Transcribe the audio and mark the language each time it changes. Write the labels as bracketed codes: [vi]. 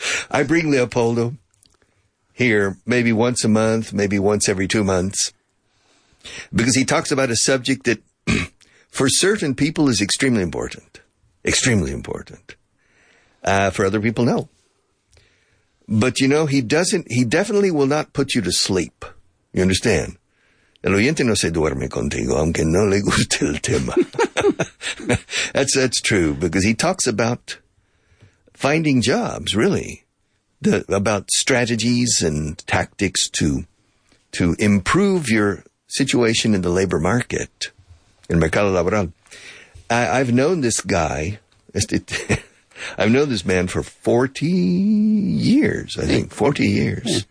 [en] I bring Leopoldo here maybe once a month, maybe once every 2 months, because he talks about a subject that, for certain people, is extremely important. Extremely important. For other people, no. But, you know, he definitely will not put you to sleep. You understand? [es] El oyente no se duerme contigo, aunque no le guste el tema. [en] That's true, because he talks about finding jobs, really. About strategies and tactics to improve your situation in the labor market, in Mercado Laboral. I've known this guy. I've known this man for 40 years, I think, 40 years.